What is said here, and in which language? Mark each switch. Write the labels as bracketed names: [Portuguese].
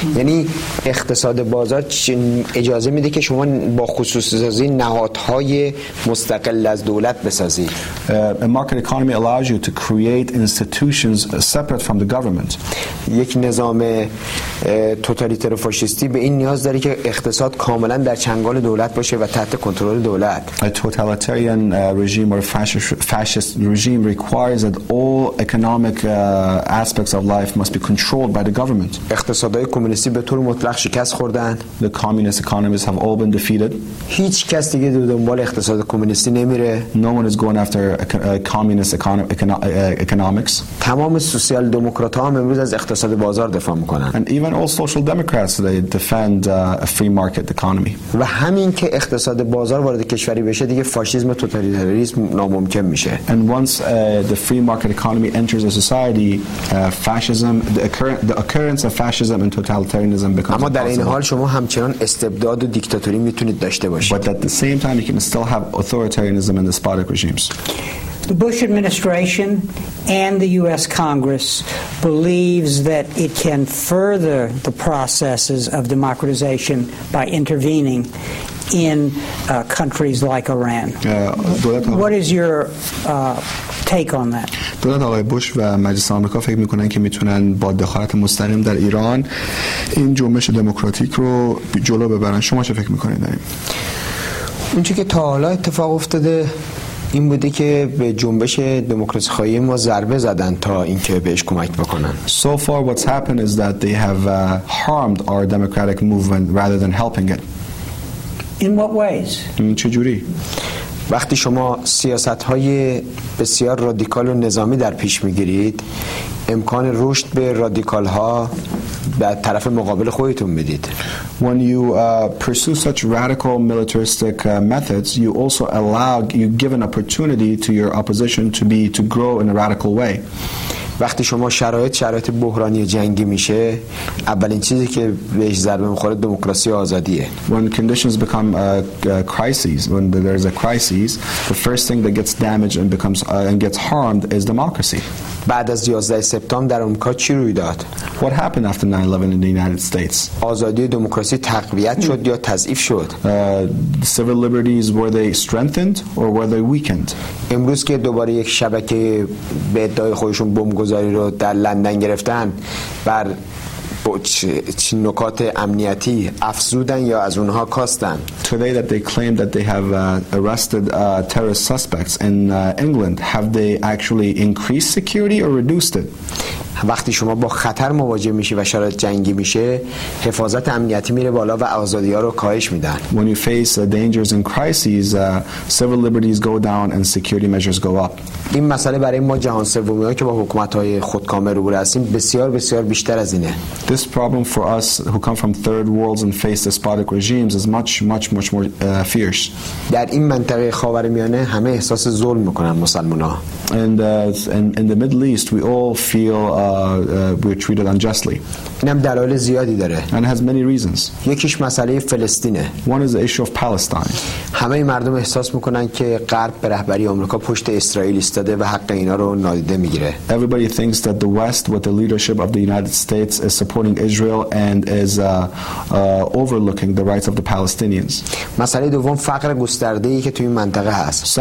[Persian] یعنی اقتصاد بازار اجازه میده که شما با خصوصی سازی نهادهای مستقل از دولت بسازید. [English] A market economy allows you to create institutions separate from the government. [Persian] یک نظام توتالیتر و فاشیستی به این نیاز داره که اقتصاد کاملا در چنگال دولت باشه و تحت کنترل دولت. [English] A totalitarian regime or fascist regime requires that all economic aspects of life must be controlled by the government. [Persian] اقتصادهای کمونیستی به طور مطلق شکست خوردن. [English] The communist economies have all been defeated. [Persian] هیچ کس دیگه دنبال اقتصاد کمونیستی نمیره. [English] No one is going after communist economics. [Persian] تمام سوسیال دموکرات ها امروز از اقتصاد بازار دفاع میکنن. [English] And even all social democrats today defend a free market economy. [Persian] و همین که اقتصاد بازار وارد کشوری بشه دیگه فاشیسم و توتالیتاریسم ناممکن میشه. [English] And once the free market economy enters a society, fascism, the occurrence of fascism and totalitarianism becomes possible. [Persian] اما در این حال شما همچنان استبداد و دیکتاتوری میتونید داشته باشید. [English] But at the same time you can still have authoritarianism and despotic regimes. The Bush administration and the U.S. Congress believes that it can further the processes of democratization by intervening in countries like Iran. What is your take on that? [Persian] دولت آقای بوش و مجلس آمریکا فکر میکنن که میتونن با دخالت مستقیم در ایران این جنبش دموکراتیک رو جلو ببرن. شما چه فکر میکنید؟ اون چیزی که تا حالا اتفاق افتاده این بوده که به جنبش دموکراسی خواهی ما ضربه زدن تا اینکه بهش کمک بکنن. [English] So far what's happened is that they have harmed our democratic movement rather than helping it. In what ways? [Persian] این چه جوری؟ وقتی شما سیاست‌های بسیار رادیکال و نظامی در پیش می‌گیرید، امکان رشد به رادیکال‌ها به طرف مقابل خودتون میدید. [English] When you pursue such radical militaristic methods, you also allow, you give an opportunity to your opposition to grow in a radical way. [Persian] وقتی شما شرایط بحرانی جنگی میشه، اولین چیزی که بهش ضربه میخوره دموکراسی و آزادیه. [English] When conditions become crises, when there is a crisis, the first thing that gets damaged and becomes and gets harmed is democracy. [Persian] بعد از 11 سپتامبر در آمریکا چی روی داد؟ [English] What happened after 9/11 in the United States? [Persian] آزادی دموکراسی تقویت شد یا تضعیف شد؟ [English] Civil liberties, were they strengthened or were they weakened? [Persian] امروز که دوباره یک شبکه به ادعای خودشون بمب‌گذاری رو در لندن گرفتن، بر چه نکات امنیتی افزودن یا از اونها کاستن؟ [English] Today that they claim that they have arrested terrorist suspects in England, have they actually increased security or reduced it? [Persian] وقتی شما با خطر مواجه میشی و شرایط جنگی میشه، حفاظت امنیتی میره بالا و آزادی‌ها رو کاهش میدن. [English] When you face dangers and crises, civil liberties go down and security measures go up. [Persian] این مسئله برای ما جهان سومی ها که با حکومت‌های خودکامه روبرو هستیم بسیار بسیار بیشتر از اینه. [English] This problem for us who come from third worlds and face despotic regimes is much more fierce. [Persian] در این منطقه خاورمیانه همه احساس ظلم میکنن مسلمان‌ها. [English] In the Middle East we all feel we're treated unjustly. [Persian] اینم دلایل زیادی داره. [English] And has many reasons. [Persian] یکیش مسئله فلسطینه. [English] One is the issue of Palestine. [Persian] همه مردم احساس میکنن که غرب به رهبری آمریکا پشت اسرائیل ایستاده و حق اینا رو نادیده میگیره. [English] Everybody thinks that the West with the leadership of the United States is supporting Israel and is overlooking the rights of the Palestinians. [Persian] مسئله دوم فقر گسترده‌ای که توی این منطقه هست.